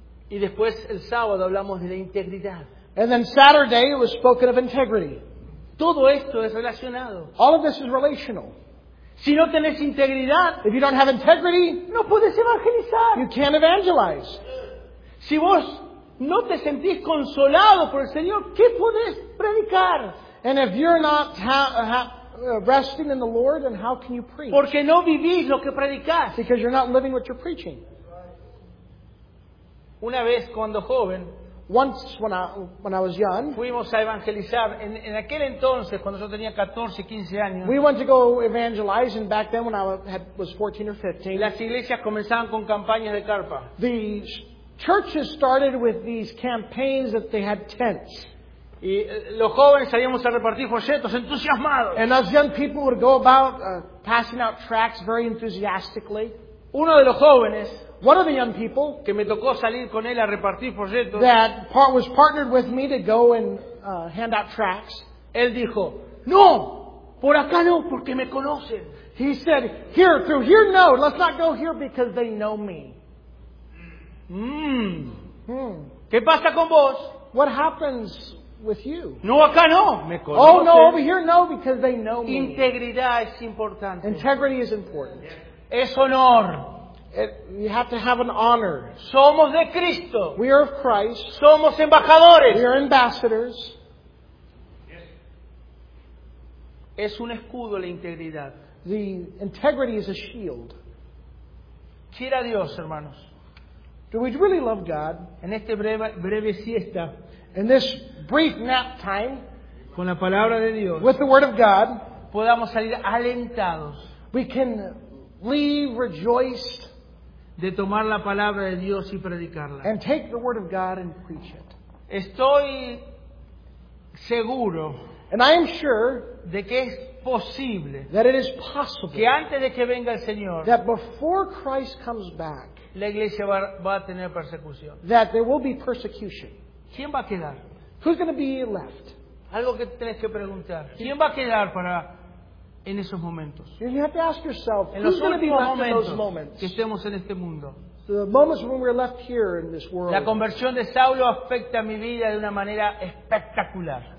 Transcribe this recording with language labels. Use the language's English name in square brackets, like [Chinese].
[Spanish] Y después el sábado hablamos de la integridad. [English] And then Saturday it was spoken of integrity. [Spanish] Todo esto es relacionado. [English] All of this is relational. [Spanish] Si no tenés integridad, [English] if you don't have integrity, [Spanish] no puedes evangelizar. [English] You can't evangelize. [Spanish] Si vos no te sentís consolado por el Señor, ¿qué podés predicar? [English] And if you're not resting in the Lord, then how can you preach? [Spanish] Porque no vivís lo que predicás. [English] Because you're not living what you're preaching. [Spanish] Una vez cuando joven, [English] once when I was young, [Spanish] fuimos a evangelizar en aquel entonces cuando yo tenía 14, 15 años. [English] We went to go evangelizing back then when I was 14 or 15. [Spanish] Las iglesias comenzaban con campañas de carpa. [English] Churches started with these campaigns that they had tents. [Spanish] Y los jóvenes salíamos a repartir folletos entusiasmados. [English] And us young people would go about passing out tracts very enthusiastically. [Spanish] Uno de los jóvenes, [English] one of the young people, [Spanish] que me tocó salir con él a repartir folletos, [English] that was partnered with me to go and hand out tracts. [Spanish] Él dijo, no, por acá no, porque me conocen. [English] He said, here, through here, no, let's not go here because they know me. [Spanish] ¿Qué pasa con vos? [English] What happens with you? [Spanish] No, acá no. Me conocen. [English] Oh no, over here no, because they know me. [Spanish] Integridad es importante. [English] Integrity is important. [Spanish] Es honor. [English] You have to have an honor. [Spanish] Somos de Cristo. [English] We are of Christ. [Spanish] Somos embajadores. [English] We are ambassadors. [Spanish] Es un escudo la integridad. [English] The integrity is a shield. [Spanish] Quiera Dios, hermanos. [English] Do we really love God? [Spanish] En este breve siesta, [English] in this brief nap time, [Spanish] con la palabra de Dios, [English] with the word of God, [Spanish] podamos salir alentados. [English] We can leave rejoiced [Spanish] de tomar la palabra de Dios y predicarla. [English] And take the word of God and preach it. [Spanish] Estoy seguro, [English] and I am sure, [Spanish] de que es posible, [English] that it is possible, [Spanish] que antes de que venga el Señor, [English] that before Christ comes back, [Spanish] la iglesia va a tener persecución. [English] That there will be persecution. [Spanish] ¿Quién va a quedar? [English] Who's going to be left? [Spanish] Algo que tenés que preguntar. ¿Quién va a quedar para en esos momentos. [English] And you have to ask yourself, who's going to be left in those moments? [Spanish] Que estemos en este mundo. [English] The moments when we're left here in this world. [Spanish] La conversión de Saulo afecta mi vida de una manera espectacular.